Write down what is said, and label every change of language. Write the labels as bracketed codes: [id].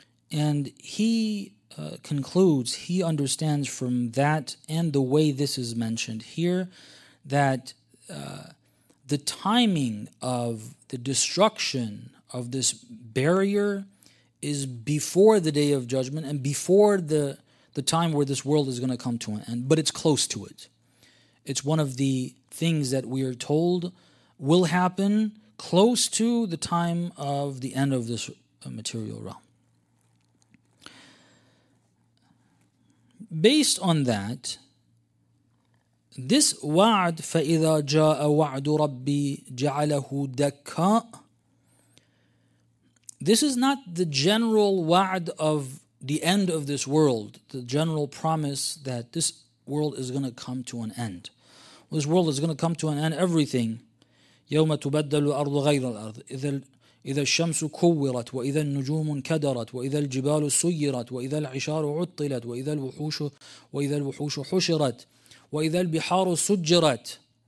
[en] And he concludes, he understands from that and the way this is mentioned here, that the timing of the destruction of this barrier is before the Day of Judgment and before the time where this world is going to come to an end, but it's close to it. It's one of the things that we are told will happen close to the time of the end of this material realm. Based on that, this wa'ad, [ar] فَإِذَا جَاءَ وَعْدُ رَبِّي جَعَلَهُ دَكَّاءَ. [en] This is not the general wa'ad of the end of this world, the general promise that this world is going to come to an end. This world is going to come to an end, everything. [ar] يَوْمَ تُبَدَّلُ الْأَرْضُ غَيْرَ الْأَرْضِ إِذَا الشَّمْسُ كُوِّرَتْ وَإِذَا النُّجُومُ انْكَدَرَتْ وَإِذَا الْجِبَالُ سُيِّرَتْ وَإِذَا الْعِشَارُ عُطِّلَتْ وَإِذَا الْوُحُوشُ حُشِرَتْ وَإِذَا الْبِحَارُ سُجِّرَتْ.